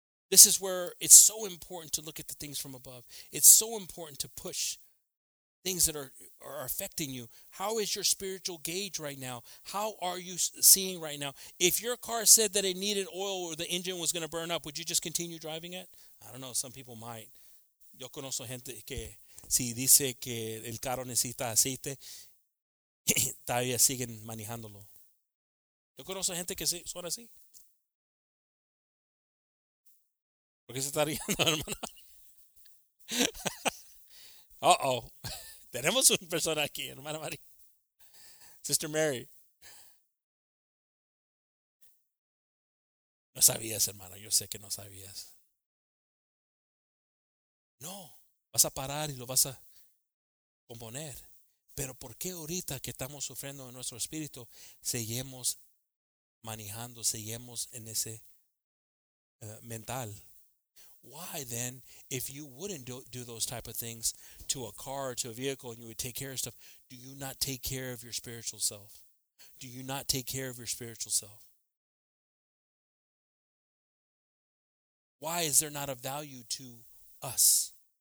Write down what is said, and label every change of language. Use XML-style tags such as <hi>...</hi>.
<en>This is where it's so important to look at the things from above. It's so important to push things that are affecting you. How is your spiritual gauge right now? How are you seeing right now? If your car said that it needed oil or the engine was going to burn up, would you just continue driving it? I don't know. Some people might.</en> <es>Yo conozco gente que si dice que el carro necesita aceite, todavía siguen manejándolo. Yo conozco gente que son así. ¿Por qué se está riendo, hermana? Uh-oh. Tenemos una persona aquí, hermana Mari. Sister Mary. No sabías, hermano. Yo sé que no sabías. No. Vas a parar y lo vas a componer. Pero ¿por qué ahorita que estamos sufriendo en nuestro espíritu, seguimos manejando, seguimos en ese mental?</es> <en>Why then, if you wouldn't do those type of things to a car, to a vehicle, and you would take care of stuff, do you not take care of your spiritual self? Do you not take care of your spiritual self? Why is there not a value to us?</en>